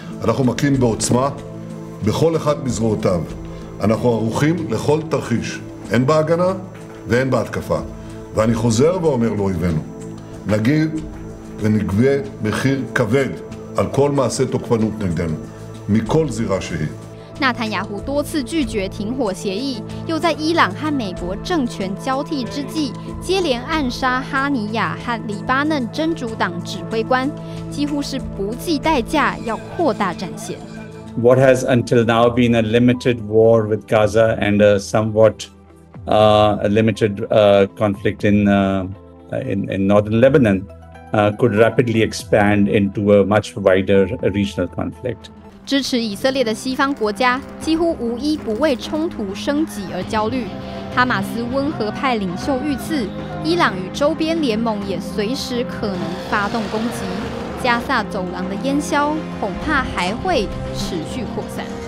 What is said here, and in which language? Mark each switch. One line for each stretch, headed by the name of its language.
Hebrew: אנחנו מכים בעוצמה בכל אחד מזרועותיו. אנחנו ערוכים לכל תרחיש, אין בהגנה ואין בהתקפה. ואני חוזר ואומר לאויבינו, נגיב ונגבה מחיר כבד על כל מעשה תוקפנות נגדנו, מכל זירה שהיא.
Chinese: 纳坦雅胡多次拒绝停火协议，又在伊朗和美国政权交替之际接连暗杀哈尼亚和黎巴嫩真主党指挥官，几乎是不计代价要扩大战线。
English: What has until now been a limited war with Gaza and a somewhat conflict in northern Lebanon could rapidly expand into a much wider regional conflict.
Chinese: 支持以色列的西方国家几乎无一不为冲突升级而焦虑。哈马斯温和派领袖遇刺，伊朗与周边联盟也随时可能发动攻击。加萨走廊的烟硝恐怕还会持续扩散。